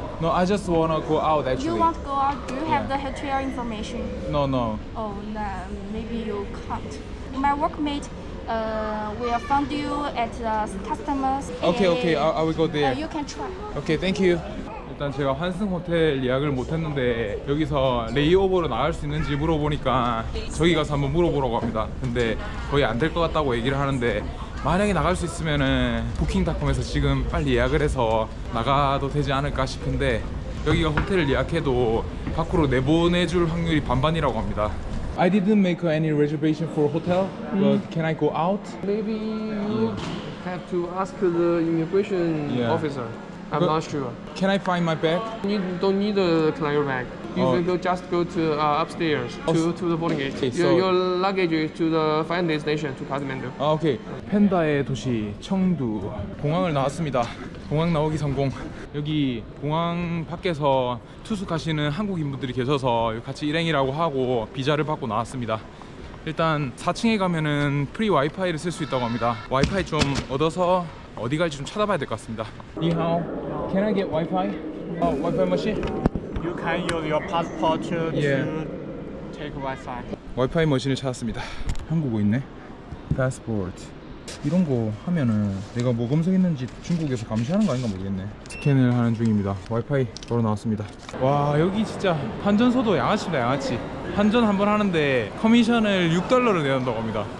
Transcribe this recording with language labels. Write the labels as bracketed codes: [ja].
[en] No, I just wanna go out actually. You want to go out? Do you have the hotel information? No, no. Oh, no. Maybe you can't. My workmate will find you at the customers. Okay, okay. I will go there. You can try. Okay, thank you. [ko] 일단 제가 환승 호텔 예약을 못했는데 여기서 레이오버로 나갈 수 있는지 물어보니까 저기 가서 한번 물어보라고 합니다. 근데 거의 안 될 것 같다고 얘기를 하는데 만약에 나갈 수 있으면은 booking.com에서 지금 빨리 예약을 해서 나가도 되지 않을까 싶은데 여기가 호텔을 예약해도 밖으로 내보내줄 확률이 반반이라고 합니다. [en] I didn't make any reservation for hotel, but can I go out? Maybe you have to ask the immigration officer. I'm not sure. Can I find my bag? You don't need a clear bag. You can just go to upstairs to the boarding gate. Okay, your luggage is to the final destination to Kathmandu. Okay. [ko] 펜다의 도시 청두 공항을 나왔습니다. 공항 나오기 성공. 여기 공항 밖에서 투숙하시는 한국인분들이 계셔서 같이 일행이라고 하고 비자를 받고 나왔습니다. 일단 4층에 가면은 프리 와이파이를 쓸 수 있다고 합니다. 와이파이 좀 얻어서 어디 갈지 좀 찾아봐야 될 것 같습니다. [en] 니하오, can I get Wi-Fi? Oh, Wi-Fi machine? You can use your passport to take Wi-Fi. [ko] Wi-Fi 머신을 찾았습니다. 한국어 있네. Passport. 이런 거 하면은 내가 뭐 검색했는지 중국에서 감시하는 거 아닌가 모르겠네. 스캔을 하는 중입니다. 와이파이 걸어 나왔습니다. 와, 여기 진짜 환전소도 양아치다, 양아치. 환전 한번 하는데 커미션을 $6를 내는다고 합니다.